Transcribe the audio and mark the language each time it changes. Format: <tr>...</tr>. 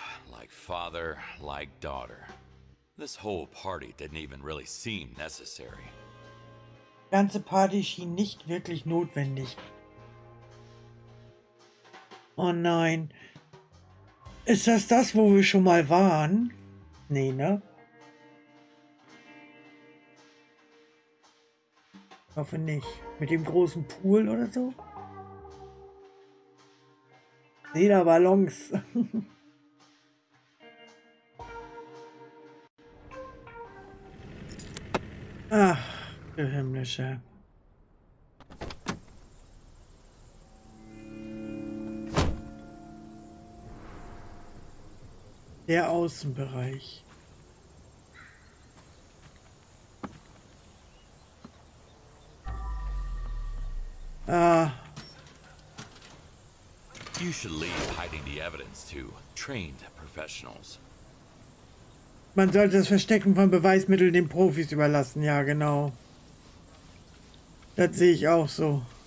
<en>Like father, like daughter. This whole party didn't even really seem necessary.</en> <de>Die ganze Party schien nicht wirklich notwendig. Oh nein. Ist das das, wo wir schon mal waren? Nee, ne? Ich hoffe nicht. Mit dem großen Pool oder so? Lederballons. Ach, du himmlische. Der Außenbereich. Ah.</de> <en>You should leave hiding the evidence to trained professionals.</en> <de>Man sollte das Verstecken von Beweismitteln den Profis überlassen, ja, genau. Das sehe ich auch so.</de>